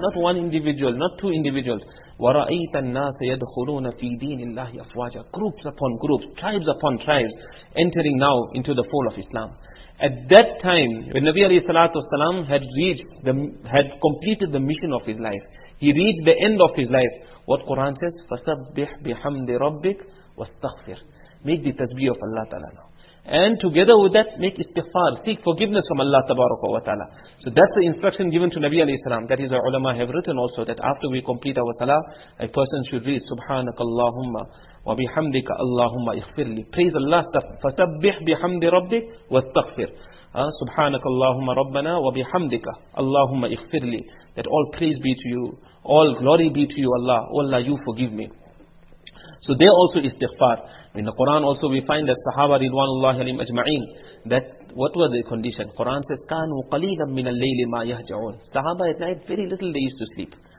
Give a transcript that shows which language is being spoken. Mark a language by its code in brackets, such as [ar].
[en] Not one individual, not two individuals. [ar] وَرَأَيْتَ النَّاسَ يَدْخُلُونَ فِي دِينِ اللَّهِ أَفْوَاجًا. [en] Groups upon groups, tribes upon tribes, entering now into the fold of Islam. At that time, when Nabi alayhi salatu wasalam had completed the mission of his life, he reached the end of his life. What Quran says, [ar] فَسَبِّحْ بِحَمْدِ رَبِّكَ وَاسْتَغْفِرْ. [en] Make the tasbih of Allah Ta'ala now. And together with that, make istighfar, seek forgiveness from Allah Tabaraka wa Ta'ala. So that's the instruction given to Nabi alayhi salam. That is why ulama have written also that after we complete our salah, a person should read, [ar] سُبْحَانَكَ اللَّهُمَّ وَبِحَمْدِكَ اللَّهُمَّ اِخْفِرْ لِي. [en] Praise Allah, [ar] فَسَبِّحْ بِحَمْدِ رَبِّكَ وَاسْتَغْفِرْ. سُبْحَانَكَ اللَّهُمَّ رَبَّنَا وَبِحَمْدِكَ اللَّهُمَّ اِخْفِرْ لِي. [en] That all praise be to you, all glory be to you, Allah. Oh Allah, you forgive me. So there also is istighfar. In the Quran also we find that Sahaba ridwanullah alayhim ajma'in, that what were the condition? Quran says [ar] kanu qalilan min al-layli ma yahja'un. [en] Sahaba at night very little they used to sleep.